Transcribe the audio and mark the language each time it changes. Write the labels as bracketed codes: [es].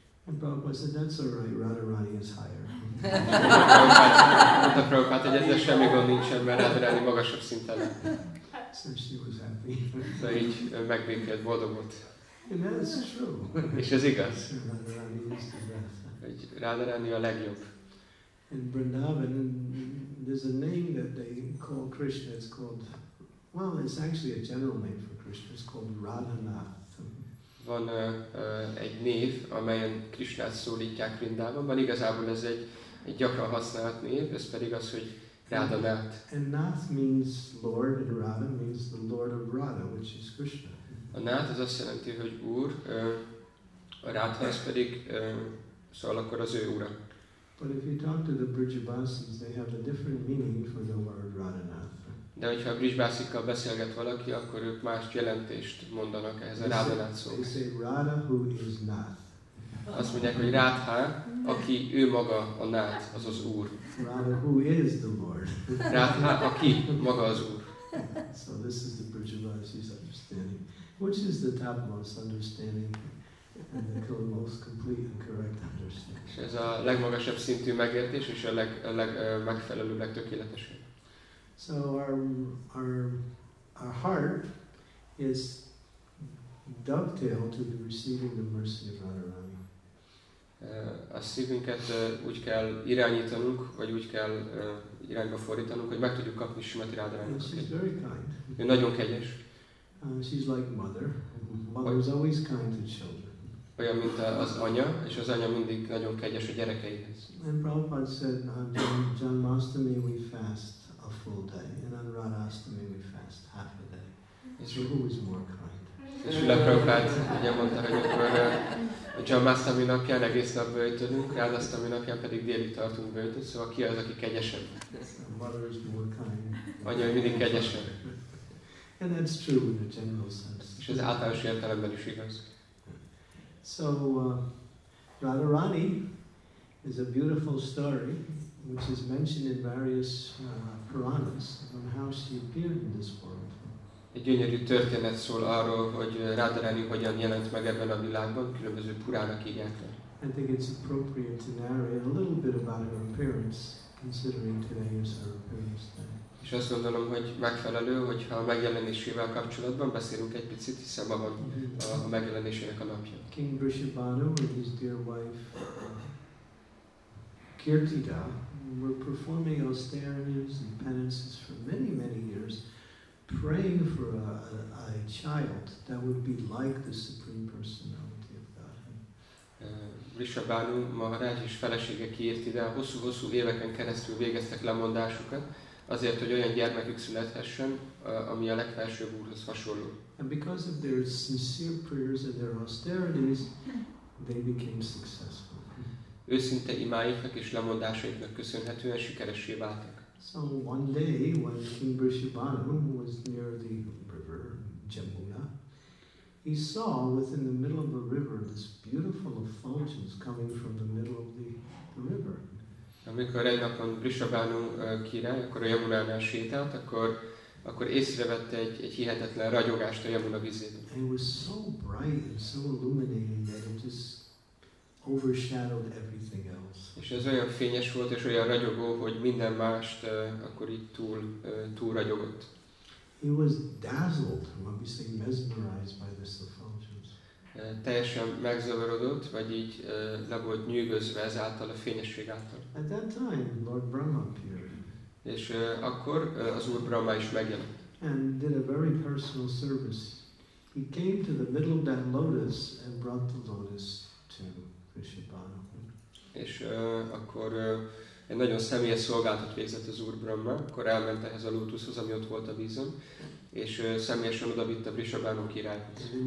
[en] And Prabhupada said, that's all right, Radharani is higher. [hu] Mondta Prabhupada, hogy ezzel semmi gond nincsen, mert Radharani magasabb szinten. [en] So she was happy. [hu] De így megbékélt, boldog volt. [en] And that's true. [hu] És ez igaz. [en] Radharani is the best. [hu] Hogy Radharani a legjobb. [en] In Vrindavan, there's a name that they call Krishna, it's called, well, it's actually a general name for Krishna, it's called Radhanath. [hu] Van egy név, amelyen Krisnát szólítják Vrindávanban, igazából ez egy gyakran használt név, ez pedig az, hogy Radha Nath. [en] And Nath means Lord, and Radha means the Lord of Radha, which is Krishna. [hu] A Nath az azt jelenti, hogy Úr, a Radha az pedig, szóval akkor az ő Ura. [en] But if you talk to the Brijbasis, they have a different meaning for the word Radhana. [hu] De hogyha a Brijbasikkal beszélget valaki, akkor ők más jelentést mondanak ehhez a Radhanát szóhoz. [en] They say Radha who is Nath. [hu] Azt mondják, hogy Radha, aki ő maga a Nath, az az Úr. [en] Radha who is the Lord. [hu] Radha, aki maga az Úr. [en] So this is the Brijbasis understanding, which is the topmost understanding. And the most complete and correct understanding. [hu] És ez a legmagasabb szintű megértés és a legmegfelelőbb, legtökéletesebb. [en] So our heart is dovetailed to the receiving the mercy of Radharani. [hu] A szívünket úgy kell irányítanunk, vagy úgy kell irányba fordítanunk, hogy meg tudjuk kapni Srimati Radharanit. [en] She's very kind. [hu] Ő nagyon kegyes. [en] She's like mother. Mother's always kind to children. [hu] Olyan, mint az anya, és az anya mindig nagyon kegyes a gyerekeihez. [en] And Prabhupada said, on Janmashtami we fast a full day, and on Radhashtami we fast half a day. So who is more kind? [hu] És Srila Prabhupada ugye mondta, hogy akkor a Janmashtami napján egész nap böjtölünk, Radhashtami napján pedig délig tartunk böjtöt, szóval ki az, aki kegyesebb? [en] Mother is more kind. [hu] Anya mindig kegyesebb. [en] And that's true in a general sense. [hu] És ez általános értelemben is igaz. [en] So Radharani is a beautiful story which is mentioned in various Puranas on how she appeared in this world. [hu] Egy gyönyörű történet szól arról, hogy Radharani hogyan jelent meg ebben a világban, különböző Puranak írják. [en] I think it's appropriate to narrate a little bit about her appearance, considering today is her appearance day. [hu] És azt gondolom, hogy megfelelő, hogyha a megjelenésével kapcsolatban beszélünk egy picit, hiszen maga a megjelenésének a napja. [en] King Vrishabhanu and his dear wife Kirtida were performing austerities and penances for many, many years, praying for a child that would be like the Supreme Personality of Godhead. [hu] Vrishabhanu Maharaj és felesége Kirtida hosszú-hosszú éveken keresztül végeztek lemondásukat, azért, hogy olyan gyermekük születhessen, ami a legfelsőbb úrhoz hasonló. [en] And because of their sincere prayers and their austerities, they became successful. [hu] Őszinte imáiknak és lemondásaiknak köszönhetően sikeressé váltak. [en] So one day, when King Vrishabhanu was near the river Jamuna, he saw within the middle of a river this beautiful effulgence coming from the middle of the river. [hu] Amikor egy napon Vrishabhanu király, akkor a Yamunánál sétált, akkor észrevette egy hihetetlen ragyogást a Yamuna vizében. [en] It was so bright and so illuminating that it just overshadowed everything else. [hu] És ez olyan fényes volt és olyan ragyogó, hogy minden mást akkor itt túl ragyogott. [en] He was dazzled, what we say, mesmerized by this effulgence. [hu] Teljesen megzavarodott, vagy így le volt nyűgözve ezáltal a fényesség által. [en] At that time, Lord Brahma appeared. [hu] És akkor az Úr Brahma is megjelent. [en] And did a very personal service. He came to the middle of that lotus and brought the lotus to Vrishabhanu. [hu] És akkor egy nagyon személyes szolgálatot végzett az Úr Brahma, akkor elment ehhez a lótuszhoz, ami ott volt a vízön, és személyesen oda vitte Vrishabhanu királyt.